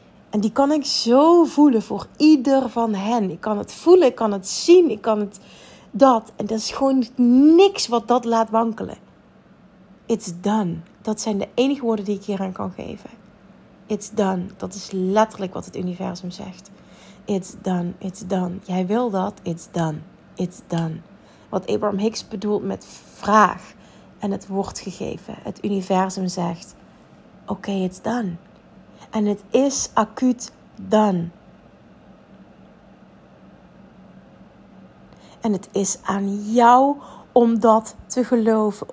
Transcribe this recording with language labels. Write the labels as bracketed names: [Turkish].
[Dutch] En die kan ik zo voelen voor ieder van hen. Ik kan het voelen, ik kan het zien, ik kan het dat. En dat is gewoon niks wat dat laat wankelen. [English] It's done. [Dutch] Dat zijn de enige woorden die ik hieraan kan geven. [English] It's done. [Dutch] Dat is letterlijk wat het universum zegt. [English] It's done, it's done. [Dutch] Jij wil dat, [English] it's done, it's done. [Dutch] Wat Abraham Hicks bedoelt met vraag en het wordt gegeven. Het universum zegt, okay, [English] it's done. [Dutch] En het is acuut dan. En het is aan jou om dat te geloven.